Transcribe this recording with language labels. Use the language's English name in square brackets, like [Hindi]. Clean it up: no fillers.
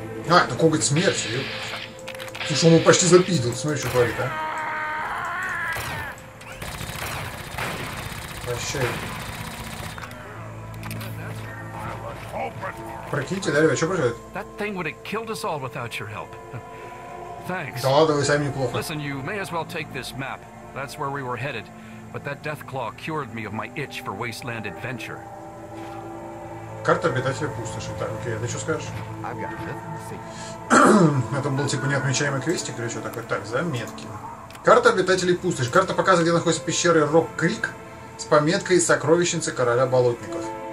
[Russian] А, это коготь смерти. Слушай, он его почти запиздил, смотри, что творит, а. Прощай. Прокиньте, да, ребят, что происходит? [English] That thing would have killed us all without your help. Thanks. [Russian] Да ладно, вы сами неплохо. [English] Listen, you may as well take this map. That's where we were headed. But that Deathclaw cured me of my itch for wasteland adventure. [Russian] Карта обитателя пустоши. Так, окей, ты что скажешь? Это был типа неотмечаемый квестик или что такое? Так, заметки. Карта обитателей пустоши. Карта показывает, где находится пещера Рок Крик с пометкой сокровищницы короля болотников.